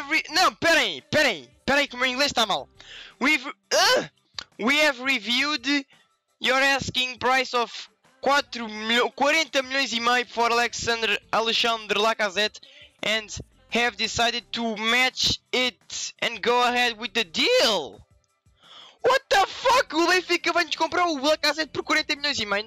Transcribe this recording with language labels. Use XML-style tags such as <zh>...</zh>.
<pt>Não, pera aí que o meu inglês está mal.</pt> <en>We have reviewed your asking price of</en> <pt>4 milhões, 40 milhões e meio</pt> <en>for Alexandre Lacazette and have decided to match it and go ahead with the deal. What the fuck?</en> <pt>O Benfica vai-nos comprar o Lacazette por 40 milhões e meio?</pt>